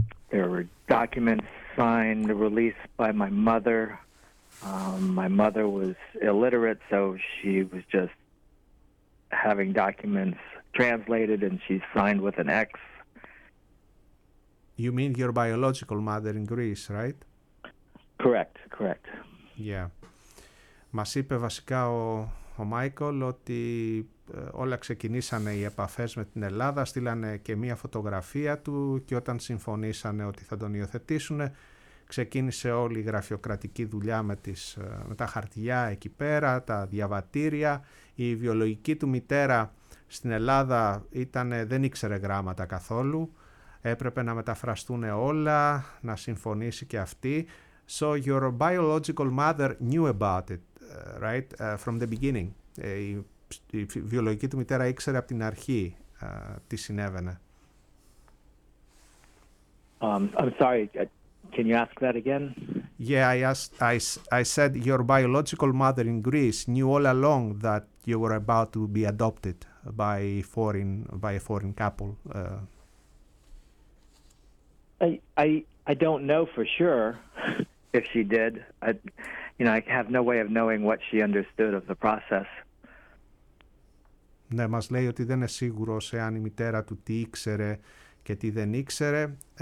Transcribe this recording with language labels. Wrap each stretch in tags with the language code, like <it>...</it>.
<en>There were documents signed, released by my mother. My mother was illiterate, so she was just having documents translated, and she signed with an X. You mean your biological mother in Greece, right? Correct, correct. Yeah.</en> <el>Μας είπε βασικά ο Μάικολ ότι όλα ξεκινήσανε οι επαφές με την Ελλάδα, στείλανε και μία φωτογραφία του, και όταν συμφωνήσανε ότι θα τον υιοθετήσουν, ξεκίνησε όλη η γραφειοκρατική δουλειά με τα χαρτιά εκεί πέρα, τα διαβατήρια. Η βιολογική του μητέρα στην Ελλάδα δεν ήξερε γράμματα καθόλου. Έπρεπε να μεταφραστούν όλα, να συμφωνήσει και αυτή.</el> <en>So your biological mother knew about it, right, from the beginning.</en> <el>Η βιολογική του μητέρα ήξερε από την αρχή τι συνέβαινε.</el> <en>I'm sorry, can you ask that again? Yeah, I said your biological mother in Greece knew all along that you were about to be adopted by a foreign couple. I don't know for sure if she did. I have no way of knowing what she understood of the process.</en> <el>Ναι, μας λέει ότι δεν είναι σίγουρος εάν η μητέρα του τι ήξερε και τι δεν ήξερε.</el>